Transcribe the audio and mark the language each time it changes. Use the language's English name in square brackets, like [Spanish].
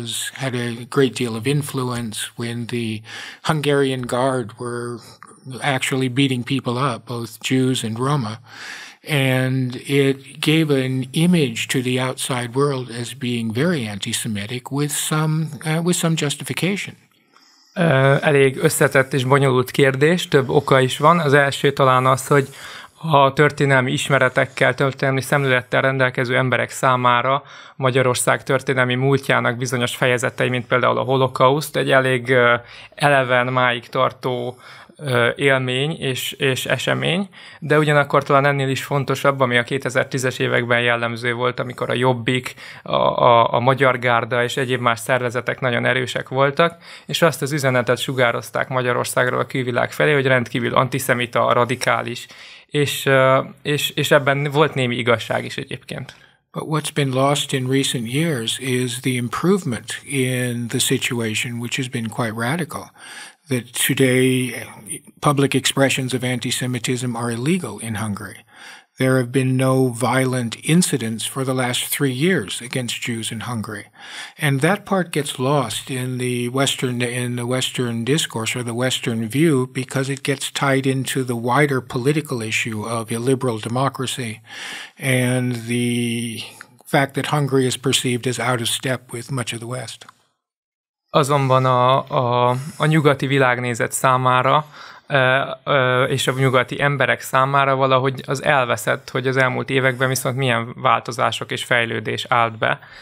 [English] had a great deal of influence, when the Hungarian Guard were actually beating people up, both Jews and Roma, and it gave an image to the outside world as being very anti-Semitic with some justification. [Hungarian] Elég összetett és bonyolult kérdés, több oka is van. Az első talán az, hogy a történelmi ismeretekkel, történelmi szemlélettel rendelkező emberek számára Magyarország történelmi múltjának bizonyos fejezetei, mint például a holokauszt, egy elég eleven máig tartó élmény és esemény, de ugyanakkor talán ennél is fontosabb, ami a 2010-es években jellemző volt, amikor a Jobbik, a Magyar Gárda és egyéb más szervezetek nagyon erősek voltak, és azt az üzenetet sugározták Magyarországról a külvilág felé, hogy rendkívül antiszemita, radikális, és ebben volt némi igazság is egyébként. [English] But what's been lost in recent years is the improvement in the situation, which has been quite radical. That today public expressions of anti-Semitism are illegal in Hungary. There have been no violent incidents for the last 3 years against Jews in Hungary. And that part gets lost in the Western discourse or the Western view because it gets tied into the wider political issue of illiberal democracy and the fact that Hungary is perceived as out of step with much of the West. [Hungarian] Azonban a nyugati világnézet számára és a nyugati emberek számára valahogy az elveszett, hogy az elmúlt években viszont milyen változások és fejlődés állt be.